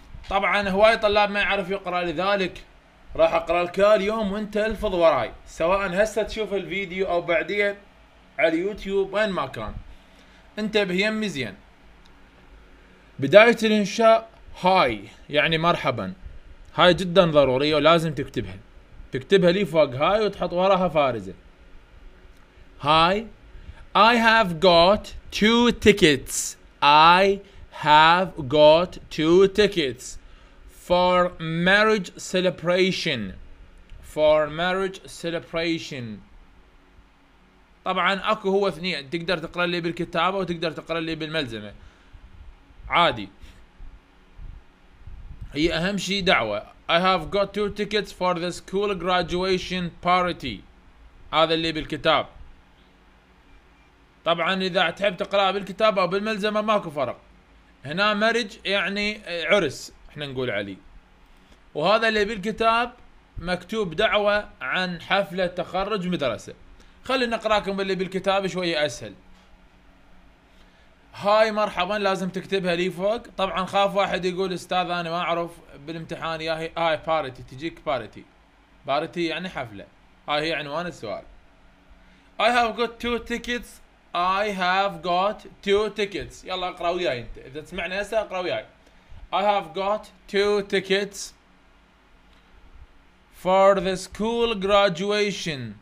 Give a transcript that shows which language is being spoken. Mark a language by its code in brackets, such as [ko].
[ar] طبعا هواي طلاب ما يعرف يقرا، لذلك راح اقرا لك اليوم وانت الفظ وراي، سواء هسه تشوف الفيديو او بعدين على اليوتيوب وين ما كان، انتبه يمي زين. بداية الانشاء هاي يعني مرحبا، هاي جدا ضرورية ولازم تكتبها، تكتبها لي فوق هاي وتحط وراها فارزة. [en] هاي I have got two tickets. I have got two tickets for marriage celebration. For marriage celebration. [ar] طبعا اكو هو اثنين، تقدر تقرا لي بالكتابه وتقدر تقرا لي بالملزمه عادي، هي اهم شيء دعوه. [en] I have got two tickets for the school graduation party، [ar] هذا اللي بالكتاب. طبعا اذا تحب تقرا بالكتاب او بالملزمه ماكو فرق، هنا marriage يعني عرس احنا نقول عليه، وهذا اللي بالكتاب مكتوب دعوه عن حفله تخرج مدرسه. خلينا نقراكم اللي بالكتاب شوية أسهل. هاي مرحبا لازم تكتبها لي فوق. طبعا خاف واحد يقول استاذ أنا ما أعرف بالامتحان يا هي. هاي بارتي، تجيك بارتي، بارتي يعني حفلة، هاي هي عنوان السؤال. [en] I have got two tickets. I have got two tickets. [ar] يلا اقرأ وياي انت، إذا تسمعني هسه اقرأ وياي. [en] I have got two tickets for the school graduation.